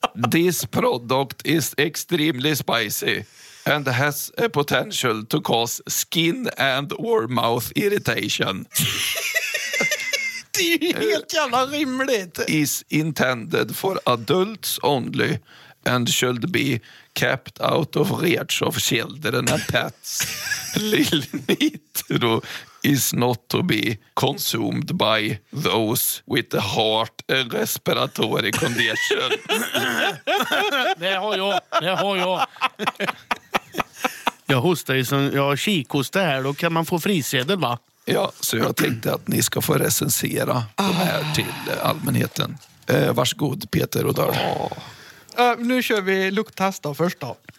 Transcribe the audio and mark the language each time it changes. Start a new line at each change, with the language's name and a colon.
English: This product is extremely spicy and has a potential to cause skin and or mouth irritation.
Swedish: Det är ju helt jävla rimligt.
English: Is intended for adults only and should be kept out of reach of children and pets. Lil Nitro is not to be consumed by those with a heart and respiratory condition.
Swedish: Det har jag. Jag hostar ju som jag kikhostar här, då kan man få frisedel, va? Ja, så jag tänkte att ni ska få recensera de här till allmänheten. Varsågod, Peter och Dörr. Nu kör vi lukttest då, först då.